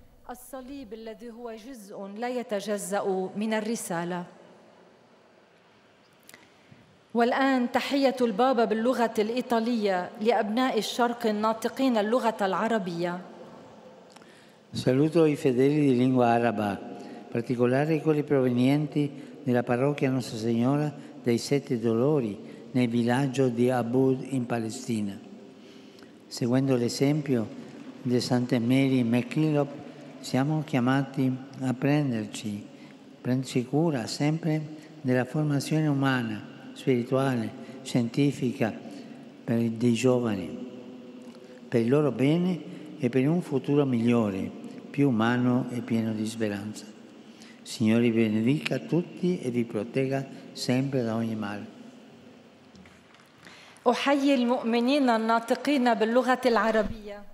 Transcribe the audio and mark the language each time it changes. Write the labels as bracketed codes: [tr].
[ar] الصليب الذي هو جزء لا يتجزأ من الرسالة والآن تحية البابا باللغة الإيطالية لأبناء الشرق الناطقين اللغة العربية [it] Saluto i fedeli di lingua araba, particolare quelli provenienti nella parrocchia Nostra Signora dei Sette Dolori nel villaggio di Abud in Palestina. Seguendo l'esempio di Santa Mary McLillop, siamo chiamati a prenderci cura sempre della formazione umana, spirituale, scientifica per dei giovani, per il loro bene e per un futuro migliore, più umano e pieno di speranza. Signore benedica tutti e vi protegga sempre da ogni male. [ar] أحيي المؤمنين الناطقين باللغة العربية.